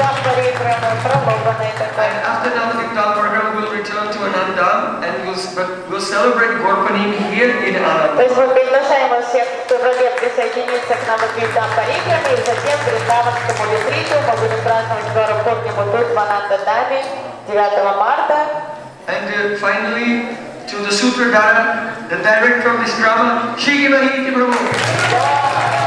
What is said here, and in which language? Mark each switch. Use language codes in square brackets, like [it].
[en] And after the Diktal program, we'll return to Ananda and we'll celebrate Gorpanim here in Ananda. [ru] То есть мы приглашаем вас всех, кто желает присоединиться к нам в Диктал Парикраме, и затем в Риндаванскому ретриту мы будем праздновать Гарапорнему тут в Ананда Даме 9 марта. [en] And finally, to the Sutradhara, the director of this drama, Shri Mahiti Prabhu.